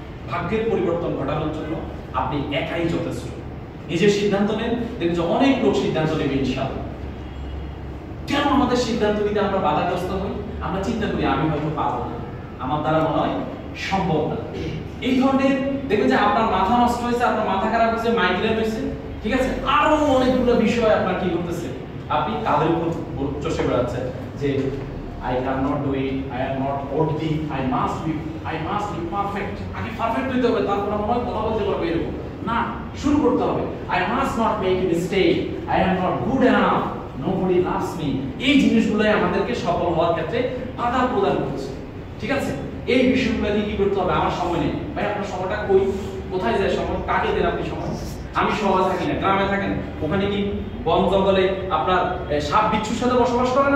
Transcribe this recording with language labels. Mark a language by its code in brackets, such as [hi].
[bn] ভাগ্যের পরিবর্তন ঘটানোর জন্য আপনি একাই যথেষ্ট নিজের সিদ্ধান্ত নেন দেখুন যে অনেক লোক সিদ্ধান্ত নেবে ইনশাআল্লাহ কেন আমাদের সিদ্ধান্ত নিতে আমরা বাধাগ্রস্ত হই আমরা চিন্তা করি আমি হয়তো পারবো না আমার দ্বারা মনে হয় সম্ভব না এই ধরনের দেখুন যে আপনার মাথা নষ্ট হয়েছে আপনার মাথা খারাপ হয়েছে মাইগ্রেন হয়েছে ঠিক আছে আরো অনেকগুলো বিষয় আপনার কি করতেছে আপনি কাদের উপর চষে বেড়াচ্ছেন যে [en] I cannot do it, I am not worthy, I must be perfect. [bn] আগে পারফেক্ট হতে হবে তারপর আমার কথা বলতে পারবো এরকম না, শুরু করতে হবে. [en] I must not make a mistake, I am not good enough, nobody loves me. [bn] এই জিনিসগুলোই আমাদেরকে সফল হওয়ার ক্ষেত্রে বাধা প্রদান করছে. ঠিক আছে, এই বিষয়গুলো নিয়ে কি করতে হবে? আমার সময় নেই ভাই. আপনার সময়টা কই, কোথায় যায় সময়, কাকে দেন আপনি সময়? আমি সমাজ থাকি না, গ্রামে থাকেন, ওখানে কি বন জঙ্গলে আপনার সাপ বিচ্ছুর সাথে বসবাস করেন?